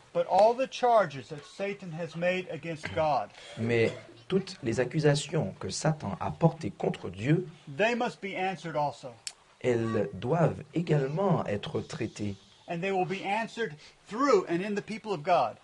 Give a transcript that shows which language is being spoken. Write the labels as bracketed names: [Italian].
[English] But all the charges that Satan has made against God, [French] mais toutes les accusations que Satan a portées contre Dieu, [English] they must be answered also. [French] Elles doivent également être traitées. [English] And they will be answered through and in the people of God.